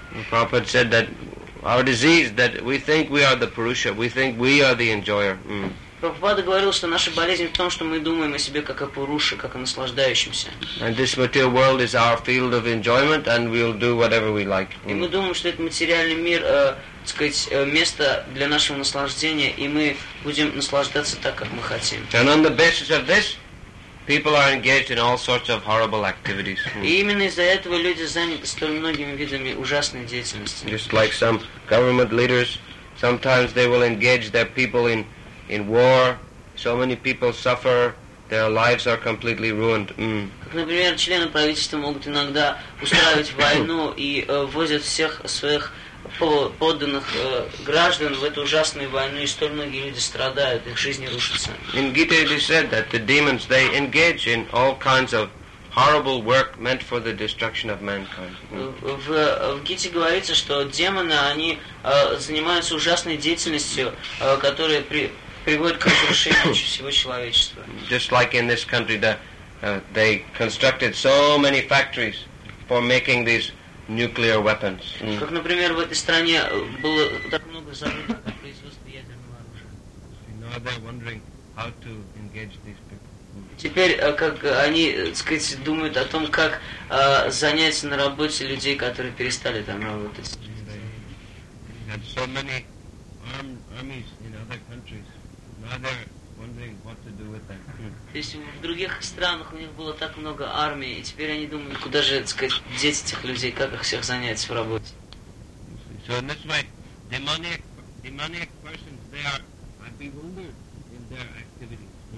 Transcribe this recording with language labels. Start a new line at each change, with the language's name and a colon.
English: Prabhupada said that our disease, that we think we are the Purusha, we think we are the enjoyer.
Russian: Prabhupada говорил, что наша болезнь в том, что мы думаем о себе как о Пуруше, как о наслаждающемся.
English: And this material world is our field of enjoyment, and we'll do whatever we like.
Russian: И мы думаем, что этот материальный мир, так сказать, место для нашего наслаждения, и мы будем наслаждаться так, как мы хотим.
English: And on the basis of this, people are engaged in all sorts of horrible activities.
Russian: И именно из-за этого люди заняты столь многими видами ужасной деятельности.
English: Just like some government leaders, sometimes they will engage their people in war. So many people suffer, their lives are completely ruined.
Russian: Как, например, члены правительства могут иногда устраивать войну и возят всех своих подданных граждан в эту ужасную войну, и столь многие люди страдают, их жизни рушатся.
English: In Gita it is said that the demons, they engage in all kinds of horrible work meant for the destruction of mankind.
Russian: В Гите говорится, что демоны, они занимаются ужасной деятельностью, которая приводит к разрушению всего человечества.
English: Just like in this country, they constructed so many factories for making these nuclear weapons.
Russian: Как, например, в этой стране было так много заводов по производству ядерного оружия.
English: Now they're wondering how to engage these people.
Russian: Теперь, как они, так сказать, думают о том, как занять на работе людей, которые перестали там работать.
English: They had so many armies in other countries. Now they're wondering what to do with them.
Russian: То есть в других странах у них было так много армий, и теперь они думают, куда же, так сказать, деть этих людей, как их всех занять в работе.
English: So in this way, demoniac persons, they are bewildered in their activities.